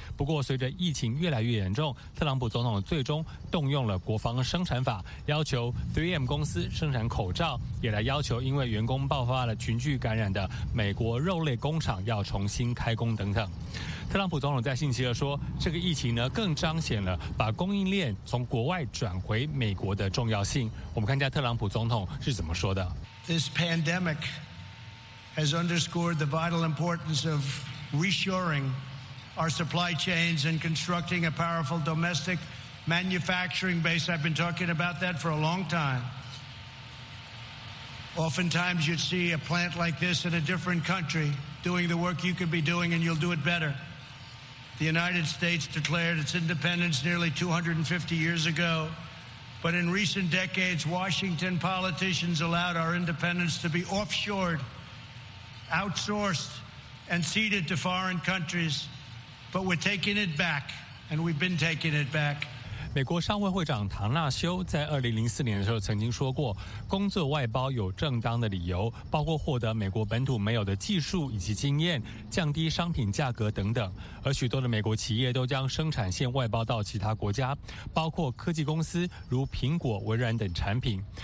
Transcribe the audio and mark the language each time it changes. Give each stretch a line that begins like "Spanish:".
Chinese: 不过随着疫情越来越严重，特朗普总统最终动用了国防生产法，要求 3M 公司生产口罩，也来要求因为员工爆发了群聚感染的美国肉类工厂要重新开工等等。特朗普总统在星期二说，这个疫情呢，更彰显了把供应链从国外转回美国的重要性。我们看一下特朗普总统是怎么说的。
English: This pandemic has underscored the vital importance of reshoring our supply chains and constructing a powerful domestic manufacturing base. I've been talking about that for a long time. Oftentimes you'd see a plant like this in a different country doing the work you could be doing and you'll do it better. The United States declared its independence nearly 250 years ago, but in recent decades, Washington politicians allowed our independence to be offshored, outsourced, and ceded to foreign countries. But we're taking it back, and we've been taking it back.
Chinese: 美国商会会长唐纳修在2004年的时候曾经说过，工作外包有正当的理由，包括获得美国本土没有的技术以及经验，降低商品价格等等。而许多的美国企业都将生产线外包到其他国家，包括科技公司如苹果、微软等产品。